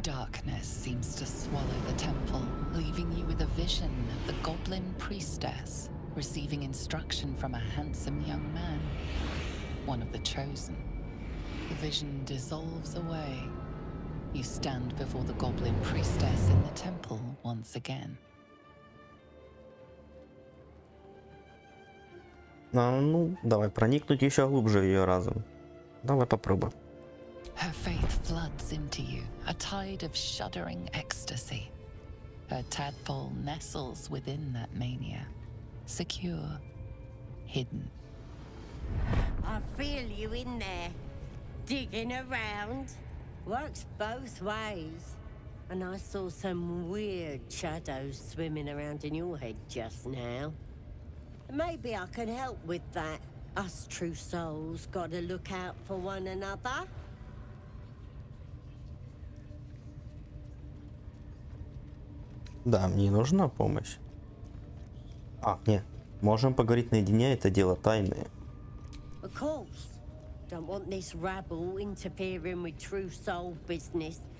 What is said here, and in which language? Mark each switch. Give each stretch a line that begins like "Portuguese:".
English: Darkness seems to swallow the temple, leaving you with a vision of the goblin priestess receiving instruction from a handsome young man, one of the chosen. The vision dissolves away. You stand before the goblin priestess in the temple once again.
Russian: Давай проникнуть еще глубже в ее разум. Давай попробуем.
English: Her faith floods into you, a tide of shuddering ecstasy. Her tadpole nestles within that mania, secure, hidden. I feel you in there, digging around. Works both ways. And I saw some weird shadows swimming around in your head just now. Maybe I can help with that. Us true souls gotta look out for one another.
Russian: Да, мне нужна помощь. А, нет. Можем поговорить наедине, это дело тайное.
English: Of course. Don't want this rabble interfering with true soul business.